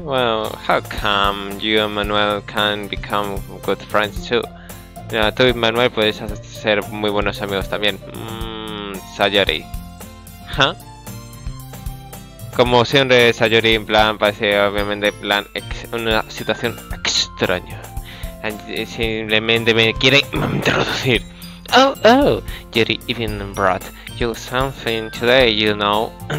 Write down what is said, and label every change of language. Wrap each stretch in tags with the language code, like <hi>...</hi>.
<en>Well, how come you and Manuel can become good friends too?</en> <es>No, tú y Manuel podéis ser muy buenos amigos también. Sayori. ¿Huh? Como siempre, Sayori, en plan, parece obviamente en plan una situación extraña. Simplemente me quiere introducir.</es> <en>Oh, Yuri even brought you something today, you know.</en>